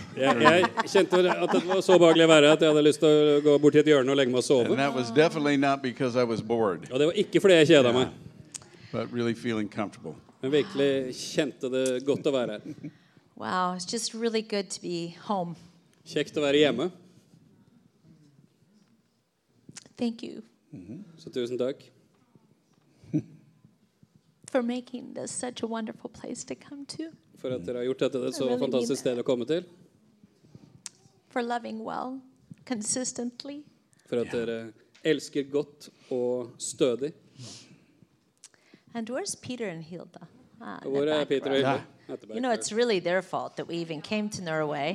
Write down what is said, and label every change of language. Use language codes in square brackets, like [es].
[no] Jeg kjente at det var så behagelig å være at jeg hadde lyst til å gå bort til et hjørne og legge meg og sove. [en] And that was definitely not because I was bored. [no] Og det var ikke fordi jeg kjedet meg. [en] But really feeling comfortable. [no] Men virkelig kjente det godt å være her. [en] Wow, it's just really good to be home. [no] Kjekt å være hjemme. [en] Thank you. [no] Så tusen takk. [en] For making this such a wonderful place to come to. [no] For at dere har gjort dette et så fantastisk sted å komme til. [en] For loving well, consistently. [no] For at dere elsker godt og stødig. [en] And where's Peter and Hilda? [no] Hvor Peter og Hilda? [en] You know, it's really their fault that we even came to Norway.